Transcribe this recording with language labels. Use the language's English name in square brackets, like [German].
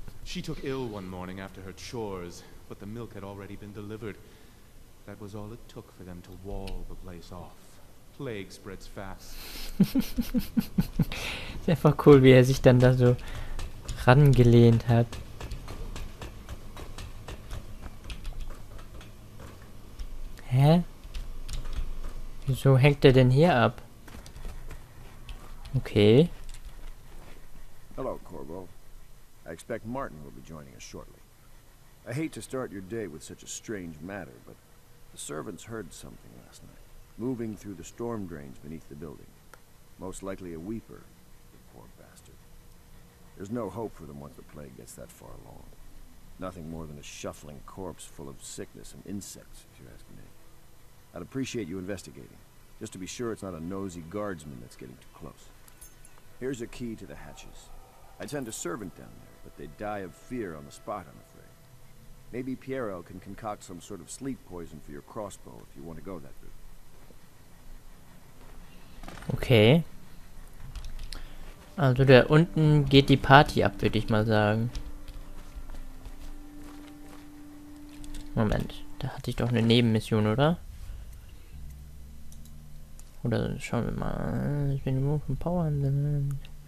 [English] She took ill one morning after her chores, but the milk had already been delivered. That was all it took for them to wall the place off. Plague spreads fast. [German] Ist einfach cool, wie sich dann da so rangelehnt hat. Hä? Wieso hängt denn hier ab? Okay. [English] Hello, Corvo. I expect Martin will be joining us shortly. I hate to start your day with such a strange matter, but the servants heard something last night, moving through the storm drains beneath the building. Most likely a weeper, the poor bastard. There's no hope for them once the plague gets that far along. Nothing more than a shuffling corpse full of sickness and insects, if you ask me. I'd appreciate you investigating, just to be sure it's not a nosy guardsman that's getting too close. Here's a key to the hatches. I'd send a servant down there, but they'd die of fear on the spot, I'm afraid. Maybe Piero can concoct some sort of sleep poison for your crossbow if you want to go that route. Okay. [German] Also da unten geht die Party ab, würde ich mal sagen. Moment, da hatte ich doch eine Nebenmission, oder? Oder schauen wir mal. Ich bin nur von Power anwenden.